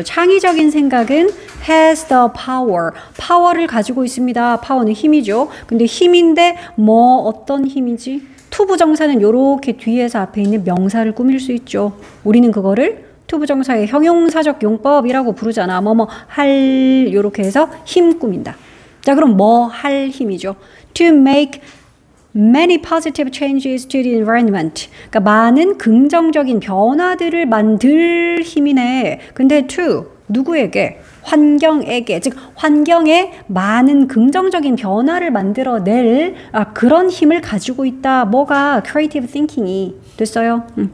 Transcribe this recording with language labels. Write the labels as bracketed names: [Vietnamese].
[Korean] 창의적인 생각은 [English] has the power, [Korean] power를 가지고 있습니다. power는 힘이죠. 근데 힘인데 뭐 어떤 힘이지? 투부정사는 이렇게 뒤에서 앞에 있는 명사를 꾸밀 수 있죠. 우리는 그거를 투부정사의 형용사적 용법이라고 부르잖아. 뭐뭐 할 이렇게 해서 힘 꾸민다. 자, 그럼 뭐 할 힘이죠? [English] To make many positive changes to the environment. [Korean] 그러니까 많은 긍정적인 변화들을 만들 힘이네. 근데 to 누구에게? 환경에게. 즉 환경에 많은 긍정적인 변화를 만들어낼 그런 힘을 가지고 있다. 뭐가? Creative thinking이 됐어요.